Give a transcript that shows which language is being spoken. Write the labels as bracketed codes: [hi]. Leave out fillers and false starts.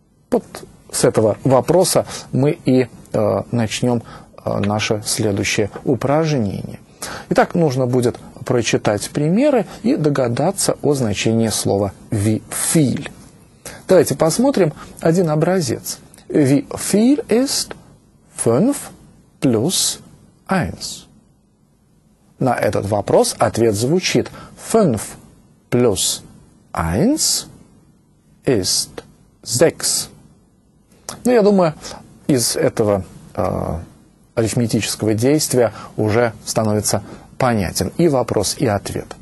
[ru] Вот с этого вопроса мы и начнем наше следующее упражнение. Итак, нужно будет прочитать примеры и догадаться о значении слова «wieviel». Давайте посмотрим один образец. [de] «Wieviel ist fünf plus eins?» [ru] На этот вопрос ответ звучит [de] «fünf plus eins ist sechs». [ru] Ну, я думаю, из этого арифметического действия уже становится понятен и вопрос, и ответ.